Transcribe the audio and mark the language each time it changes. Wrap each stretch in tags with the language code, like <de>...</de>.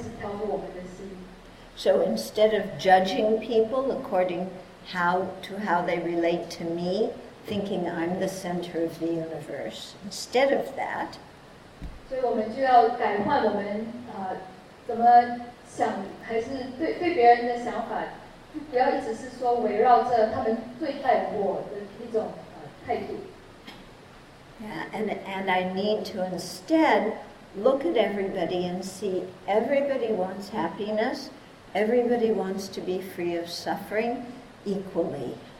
<zh>那有政治这样提醒我们，我们就开始会想到要发正念，要比较观察我们对别人的一些关系，我们是怎么想，我们对其他人的关系，要开始调和我们的心。</zh> <en>So instead of judging people according how they relate to me, thinking I'm the center of the universe, instead of that,</en> <zh>所以我们就要改换我们怎么想，还是对别人的想法，就不要一直是说围绕着他们对待我的那种态度。</zh> <en>And I need to instead look at everybody and see everybody wants happiness, everybody wants to be free of suffering equally.</en>